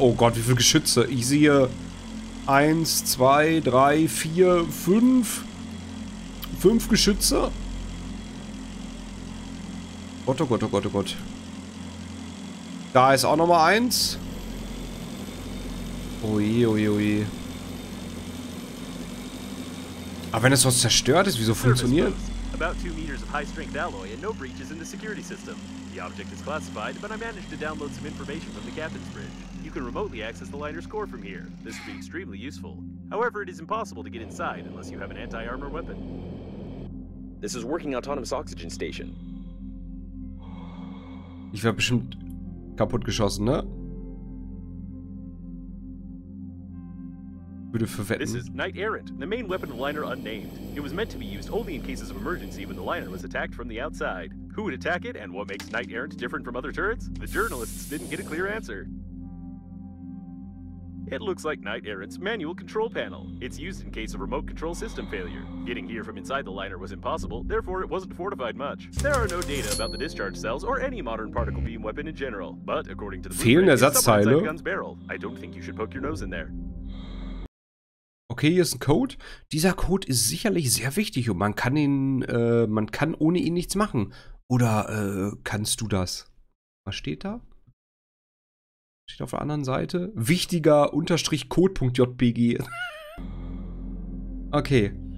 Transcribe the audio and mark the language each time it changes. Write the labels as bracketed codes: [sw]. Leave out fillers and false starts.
[de] Oh Gott, wie viele Geschütze. Ich sehe... 1, 2, 3, 4, 5... 5 Geschütze. Gott, oh Gott, oh Gott, oh Gott. Da ist auch nochmal eins. Ui, ui, ui. Aber wenn es was zerstört ist, wieso funktioniert? [en] About 2 meters of high-strength alloy and no breaches in the security system. The object is classified, but I managed to download some information from the captain's bridge. You can remotely access the liner's core from here. This would be extremely useful. However, it is impossible to get inside unless you have an anti-armor weapon. This is working autonomous oxygen station. [de] Ich werde bestimmt kaputt geschossen, ne? Würde verwetten. [en] This is Knight Errant, the main weapon of Liner unnamed. It was meant to be used only in cases of emergency when the Liner was attacked from the outside. Who would attack it and what makes Knight Errant different from other turrets? The journalists didn't get a clear answer. It looks like Knight Errant's manual control panel. It's used in case of remote control system failure. Getting here from inside the liner was impossible, therefore it wasn't fortified much. There are no data about the discharge cells or any modern particle beam weapon in general. But according to the [de] fehlende Ersatzteile. [en] Gun's barrel. I don't think you should poke your nose in there. [de] Okay, hier ist ein Code. Dieser Code ist sicherlich sehr wichtig und man kann ihn, man kann ohne ihn nichts machen. Oder kannst du das? Was steht da? Steht auf der anderen Seite. Wichtiger unterstrich code.jpg. Okay.